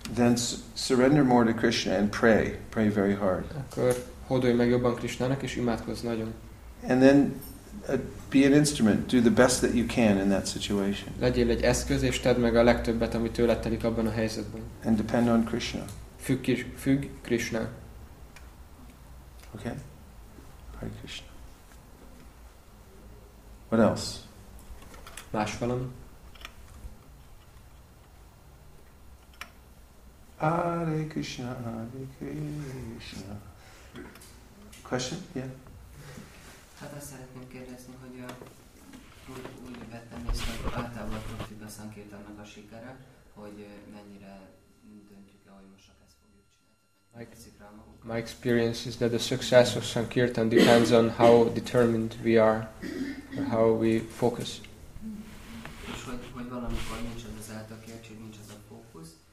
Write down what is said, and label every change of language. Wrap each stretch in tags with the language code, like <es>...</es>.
<en>then surrender more to Krishna and pray. Pray very hard.</en> <hu>Akkor hódolj meg jobban Krishnának, és imádkozz nagyon.</hu> <en>And then be an instrument. Do the best that you can in that situation.</en> <hu>Legyél egy eszköz, és tedd meg a legtöbbet, ami tőled telik abban a helyzetben.</hu> <en>And depend on Krishna.</en> <hu>Függ Krishna.</hu> <en>Okay? Hare Krishna. What else?</en> <hu>Más valami?</hu> <en>Hare Krishna, Hare Krishna. Question? Yeah.</en> <hu>Hát azt szeretném kérdezni, hogy úgy vettem észre, hogy általában profibb a szankirtannak a sikere, hogy mennyire döntjük el, hogy most ezt fogjuk csinálni.</hu> <en>My experience is that the success of Sankirtan depends on how determined we are, or how we focus.</en> <hu>És hogy valamikor nincs az az eltökélt, hogy nincs az a fókusz,</hu>